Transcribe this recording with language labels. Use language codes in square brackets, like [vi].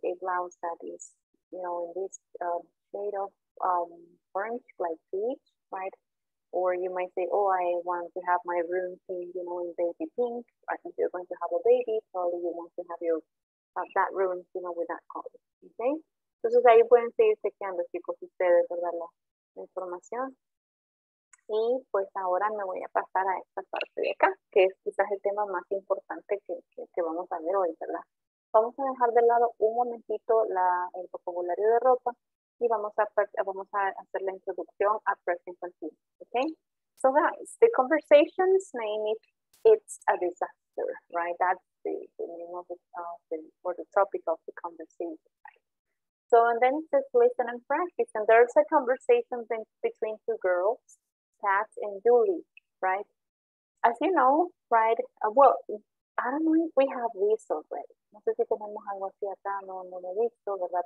[en] A blouse that is, you know, in this shade of orange, like peach, right? Or you might say, oh, I want to have my room painted, you know, in baby pink. I think you're going to have a baby, so you want to have your that room, you know, with that color, okay? [es] Entonces ahí pueden seguir chequeando, chicos, ustedes, ¿verdad? La información. Y pues ahora me voy a pasar a esta parte de acá, que es quizás el tema más importante que vamos a ver hoy, ¿verdad? Vamos a dejar de lado un momentito el vocabulario de ropa y vamos a hacer la introducción a present continuous, okay? [en] So guys, the conversation's name is It's a Disaster, right? That's the name of the topic of the conversation, right? So and then it says listen and practice, and there's a conversation between two girls, Pat and Julie, right? As you know, right? Well, I don't know if we have this already. [es] No sé si tenemos algo así acá, no lo he visto, ¿verdad?